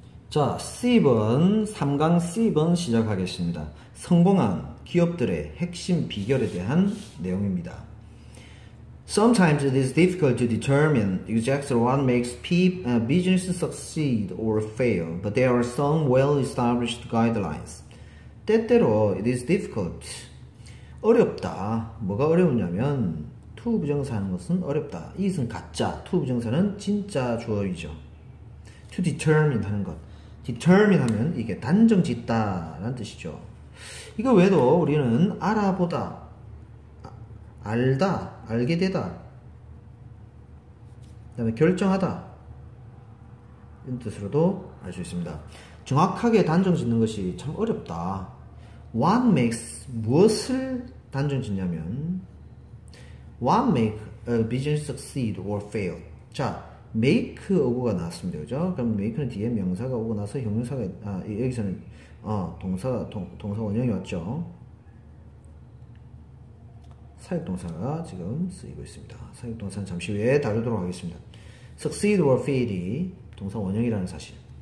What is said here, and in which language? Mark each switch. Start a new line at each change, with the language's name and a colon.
Korean: 자, C번, 3강 C번 시작하겠습니다. 성공한 기업들의 핵심 비결에 대한 내용입니다.
English: Sometimes it is difficult to determine exactly what makes business succeed or fail, but there are some well-established guidelines.
Korean: 때때로
English: it is difficult.
Korean: 어렵다. 뭐가 어려우냐면, to 부정사 하는 것은 어렵다. 이것은 가짜. to 부정사는 진짜 주어이죠.
English: to determine
Korean: 하는 것. determine 하면 이게 단정 짓다라는 뜻이죠. 이거 외에도 우리는 알아보다, 알다, 알게 되다, 그다음에 결정하다 이런 뜻으로도 알수 있습니다. 정확하게 단정 짓는 것이 참 어렵다.
English: What makes
Korean: 무엇을 단정 짓냐면,
English: What make a business succeed or fail?
Korean: 자, make 어구가 나왔습니다. 그죠? 그럼 make는 뒤에 명사가 오고 나서 형용사가, 여기서는 동사 원형이 왔죠. 사역동사가 지금 쓰이고 있습니다. 사역동사는 잠시 후에 다루도록 하겠습니다.
English: succeed or fail
Korean: 이 동사 원형이라는 사실.